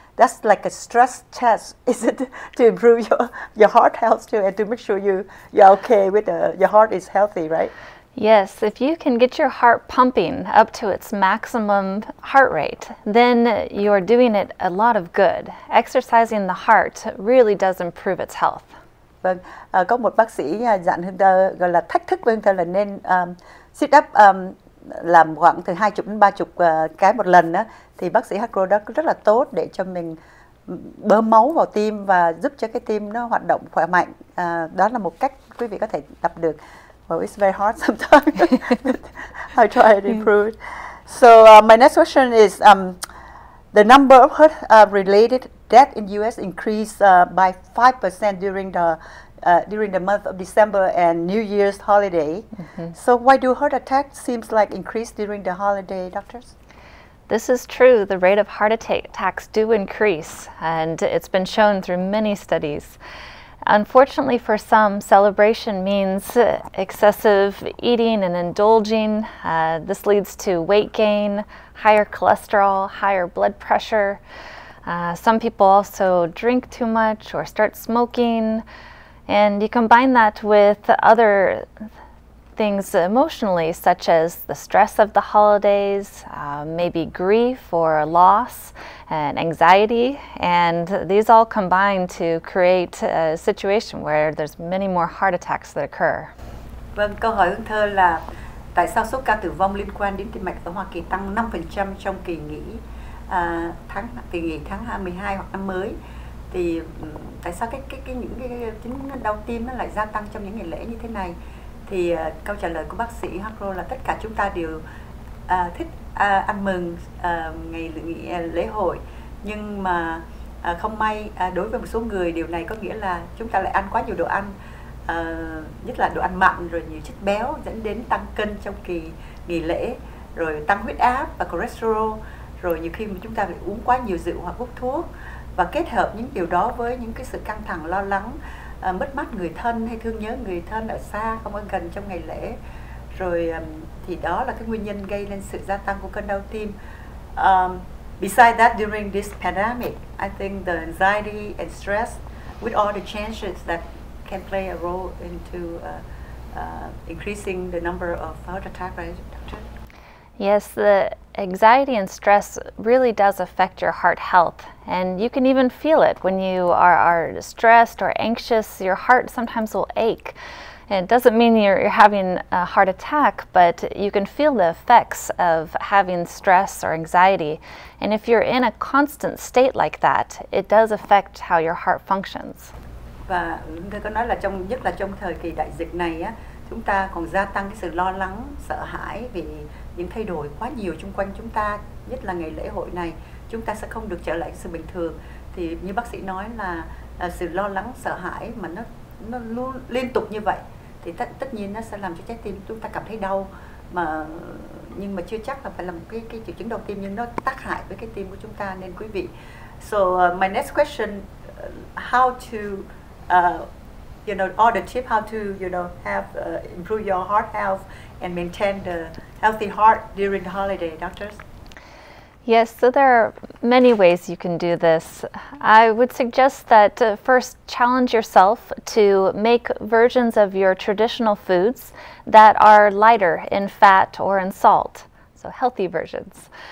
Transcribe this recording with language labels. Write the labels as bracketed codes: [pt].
[en] That's like a stress test, is it, to improve your heart health too and to make sure you're okay with your heart is healthy, right? Yes, if you can get your heart pumping up to its maximum heart rate, then you're doing it a lot of good. Exercising the heart really does improve its health. [vi] Vâng, có một bác sĩ dặn Hương Thơ, gọi là thách thức với Hương Thơ là nên sit up làm khoảng từ 20 đến 30 cái một lần. Thì bác sĩ Hargrove đó rất là tốt để cho mình bơm máu vào tim và giúp cho cái tim nó hoạt động khỏe mạnh. Đó là một cách quý vị có thể tập được. [en] Well, it's very hard sometimes. I try to improve it. So my next question is, the number of heart-related deaths in U.S. increased by 5% during the month of December and New Year's holiday. Mm-hmm. So why do heart attacks seems like increase during the holiday, doctors? This is true. The rate of heart attacks do increase, and it's been shown through many studies. Unfortunately for some, celebration means excessive eating and indulging. This leads to weight gain, higher cholesterol, higher blood pressure. Some people also drink too much or start smoking. And you combine that with other things emotionally, such as the stress of the holidays, maybe grief or loss and anxiety, and these all combine to create a situation where there's many more heart attacks that occur. [vi] Vâng, câu hỏi Hương Thơ là tại sao số ca tử vong liên quan đến tim mạch ở Hoa Kỳ tăng 5% trong kỳ nghỉ tháng 12 hoặc năm mới, thì tại sao những đau tim nó lại gia tăng trong những ngày lễ như thế này? Thì câu trả lời của bác sĩ Hargrove là tất cả chúng ta đều thích ăn mừng ngày lễ hội, nhưng mà không may đối với một số người điều này có nghĩa là chúng ta lại ăn quá nhiều đồ ăn, nhất là đồ ăn mặn rồi nhiều chất béo, dẫn đến tăng cân trong kỳ nghỉ lễ, rồi tăng huyết áp và cholesterol, rồi nhiều khi mà chúng ta phải uống quá nhiều rượu hoặc hút thuốc, và kết hợp những điều đó với những cái sự căng thẳng lo lắng, mất mát người thân hay thương nhớ người thân ở xa, không ở gần trong ngày lễ. Rồi thì đó là cái nguyên nhân gây nên sự gia tăng của cơn đau tim. [en] Besides that, during this pandemic, I think the anxiety and stress with all the changes that can play a role into increasing the number of heart attack, right, doctor? Yes, the anxiety and stress really does affect your heart health. And you can even feel it when you are stressed or anxious. Your heart sometimes will ache. It doesn't mean you're having a heart attack, but you can feel the effects of having stress or anxiety. And if you're in a constant state like that, it does affect how your heart functions. [vi] Và tôi có nói là trong nhất là trong thời kỳ đại dịch này á, chúng ta còn gia tăng cái sự lo lắng, sợ hãi vì những thay đổi quá nhiều xung quanh chúng ta, nhất là ngày lễ hội này, chúng ta sẽ không được trở lại sự bình thường. Thì như bác sĩ nói là sự lo lắng, sợ hãi mà nó luôn liên tục như vậy thì tất nhiên nó sẽ làm cho trái tim chúng ta cảm thấy đau, mà nhưng mà chưa chắc là phải là một cái triệu chứng đầu tiên, nhưng nó tác hại với cái tim của chúng ta. Nên quý vị, [en] so my next question, how to you know, all the tip how to, you know, have improve your heart health and maintain the healthy heart during the holiday, doctors? Yes, so there are many ways you can do this. I would suggest that first challenge yourself to make versions of your traditional foods that are lighter in fat or in salt, so healthy versions.